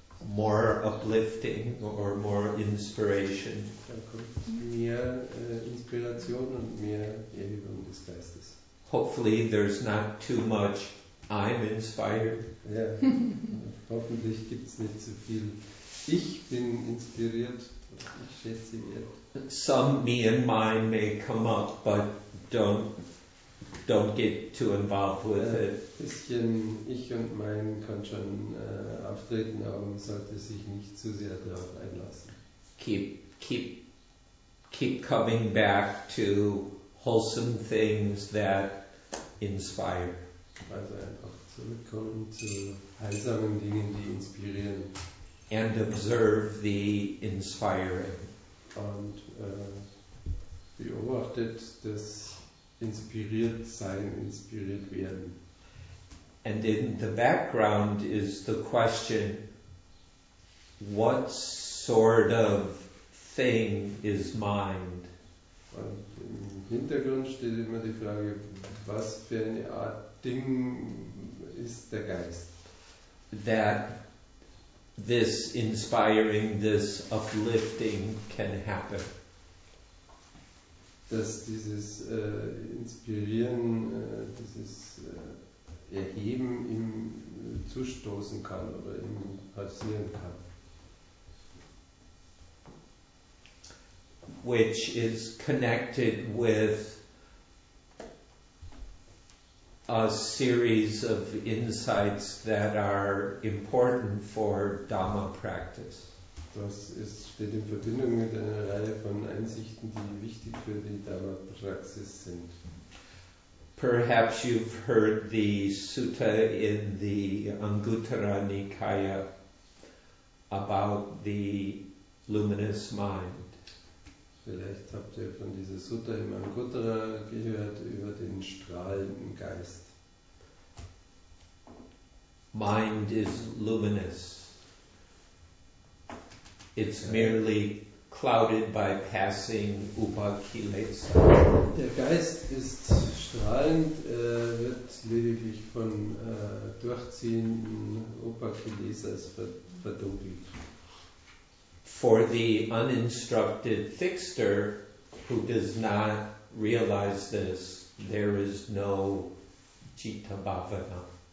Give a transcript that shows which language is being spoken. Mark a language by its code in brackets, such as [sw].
[en] More uplifting or more inspiration. [de] Dann kommt mehr Inspiration und mehr Erhebung des Geistes. [en] Hopefully there's not too much I'm inspired. [de] Ja. Hoffentlich gibt es nicht zu viel ich bin inspiriert. Ich schätze wert. [en] Some me and mine may come up, but don't get too involved with it. [de] Ein bisschen ich und mein kann schon auftreten, aber man sollte sich nicht zu sehr darauf einlassen. [en] Keep coming back to wholesome things that inspire. [de] Also einfach zurückkommen zu heilsamen Dingen, die inspirieren. [en] And observe the inspiring. [de] Und beobachtet das inspiriert sein, inspiriert werden. [en] And in the background is the question, what sort of thing is mind? [de] Und im Hintergrund steht immer die Frage, was für eine Art Ding ist der Geist? [en] That this inspiring, this uplifting can happen. [de] Dass dieses Inspirieren, dieses Erheben ihm zustoßen kann oder ihm passieren kann. [en] Which is connected with a series of insights that are important for Dhamma practice. [de] Das ist, steht in Verbindung mit einer Reihe von Einsichten, die wichtig für die Dhamma-Praxis sind. [en] Perhaps you've heard the sutta in the Anguttara Nikaya about the luminous mind. [de] Vielleicht habt ihr von dieser Sutta im Anguttara gehört über den strahlenden Geist. [en] Mind is luminous. It's merely clouded by passing upakilesa. [de] Der Geist ist strahlend, wird lediglich von durchziehenden upakilesas verdunkelt. [en] For the uninstructed fixer who does not realize this, there is no citta bhavana.